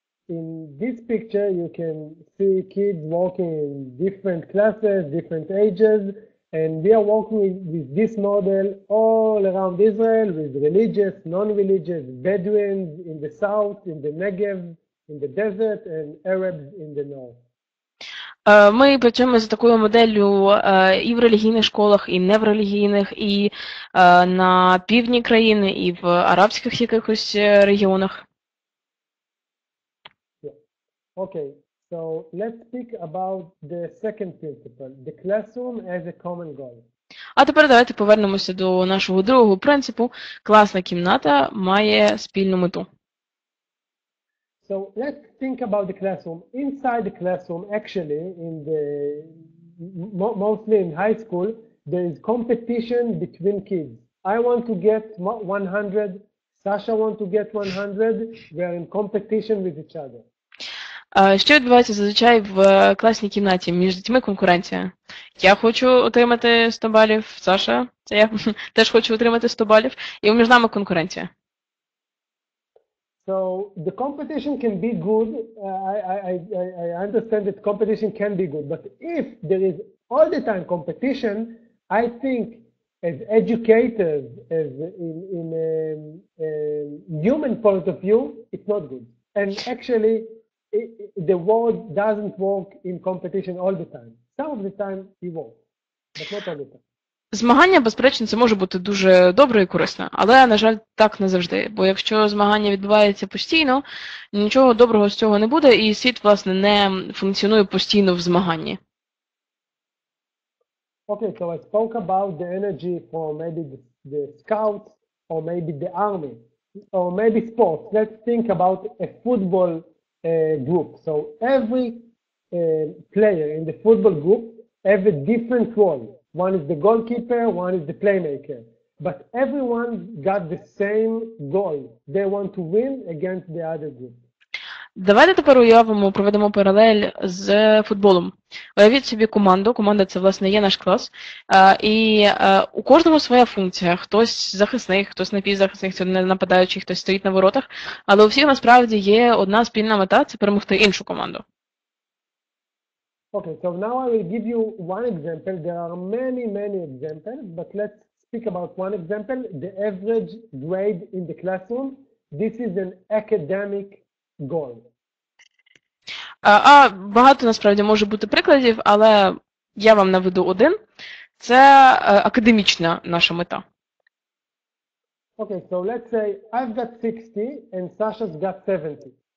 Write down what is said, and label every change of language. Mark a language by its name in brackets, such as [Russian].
[English] In this picture you can see kids walking in different classes, different ages. And we are working with this model all around Israel, with religious, non-religious, Bedouins in the south, in the Negev, in the desert, and Arabs in the north. [Ukrainian] Ми працюємо за такою моделлю і в релігійних школах, і не в релігійних, і на півдні країни, і в арабських якихось регіонах. [English] Yeah. Okay. So let's speak about the second principle, the classroom as a common goal. [Ukrainian] А тепер давайте повернемося до нашого другого принципу. Класна кімната має спільну мету. [English] So let's think about the classroom. Inside the classroom, actually, in the mostly in high school, there is competition between kids. I want to get 100, Sasha want to get 100, we are in competition with each other. [Ukrainian] Що відбувається зазвичай в класній кімнаті? Між дітьми конкуренція. Я хочу отримати 100 балів, Саша, це я теж хочу отримати 100 балів, і між нами конкуренція. [English] So, the competition can be good, I understand that competition can be good, but if there is all the time competition, I think as educators, as in a human point of view, it's not good. And actually, the world doesn't work in competition all the time. Some of the time it works, but not all the time. [Ukrainian] Змагання, безперечно, це може бути дуже добре і корисно, але, на жаль, так не завжди. Бо якщо змагання відбувається постійно, нічого доброго з цього не буде, і світ, власне, не функціонує постійно в змаганні. [English] Okay, so I spoke about the energy for maybe the scouts, or maybe the army, or maybe sports. Let's think about a football group. So every player in the football group have a different role. One is the goalkeeper, one is the playmaker. But everyone got the same goal. They want to win against the other group. [Ukrainian] Давайте тепер уявимо, проведемо паралель з футболом. Уявіть собі команду. Команда – це, власне, є наш клас. І у кожного своя функція. Хтось захисний, хтось напівзахисний, хтось не нападаючий, хтось стоїть на воротах. Але у всіх насправді є одна спільна мета – це перемогти іншу команду. [English] Okay, so now I will give you one example. There are many, many examples, but let's speak about one example. The average grade in the classroom. This is an academic goal. [Ukrainian] Багато насправді може бути прикладів, але я вам наведу один. Це академічна наша мета. [English] Okay, so let's say I've got 60 and Sasha's got 70.